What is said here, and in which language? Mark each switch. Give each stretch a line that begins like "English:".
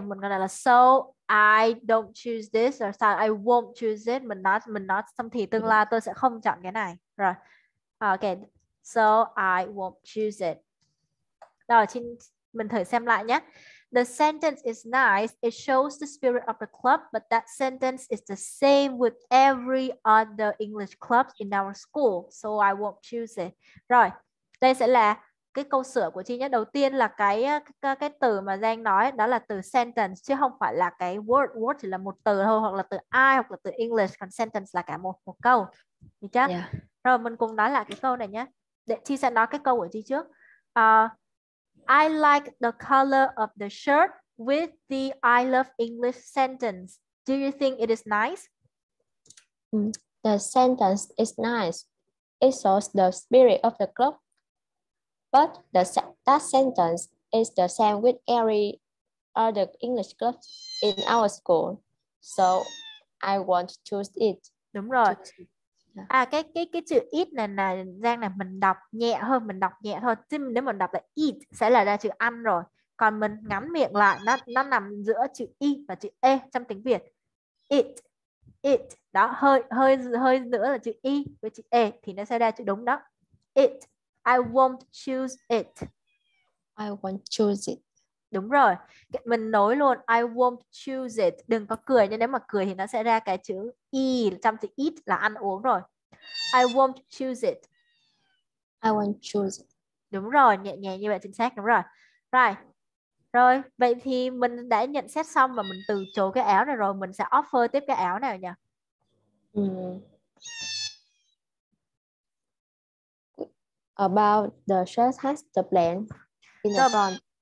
Vietnamese: Mình gọi là
English: so I don't choose this or so I won't choose it.
Vietnamese: Mình nói trong thì tương lai tôi sẽ không chọn cái này. Rồi. Okay.
English: So I won't choose it.
Vietnamese: Rồi, xin mình thử xem lại nhé.
English: The sentence is nice. It shows the spirit of the club, but that sentence is the same with every other English club in our school. So I won't choose it.
Vietnamese: Rồi. Đây sẽ là cái câu sửa của chị nhé. Đầu tiên là cái từ mà Giang nói, đó là từ sentence, chứ không phải là cái word. Word chỉ là một từ thôi, hoặc là từ I, hoặc là từ English. Còn sentence là cả một câu. Được chưa?
English: Yeah.
Vietnamese: Rồi mình cùng nói lại cái câu này nhé. Để chị sẽ nói cái câu của chị trước.
English: I like the color of the shirt with the I love English sentence. Do you think it is nice? The sentence is nice. It shows the spirit of the club. But that sentence is the same with every other English club in our school. So I won't choose it.
Vietnamese: Đúng rồi. Cái chữ eat này Giang này mình đọc nhẹ hơn, mình đọc nhẹ thôi. Chứ nếu mình đọc là eat sẽ là ra chữ ăn rồi. Còn mình ngắm miệng lại, nó nằm giữa chữ i và chữ e trong tiếng Việt.
English: It.
Vietnamese: Đó, hơi nữa là chữ i với chữ e thì nó sẽ ra chữ đúng đó.
English: It. I won't choose it. I won't choose it.
Vietnamese: Đúng rồi. Mình nói luôn
English: I won't choose it.
Vietnamese: Đừng có cười nha, nếu mà cười thì nó sẽ ra cái chữ e trong chữ eat là ăn uống rồi.
English: I won't choose it. I won't choose it.
Vietnamese: Đúng rồi, nhẹ nhàng như vậy chính xác, đúng rồi. Right. Rồi, vậy thì mình đã nhận xét xong và mình từ chối cái áo này rồi, mình sẽ offer tiếp cái áo nào nhỉ?
English: About the shirt has the plane in the front.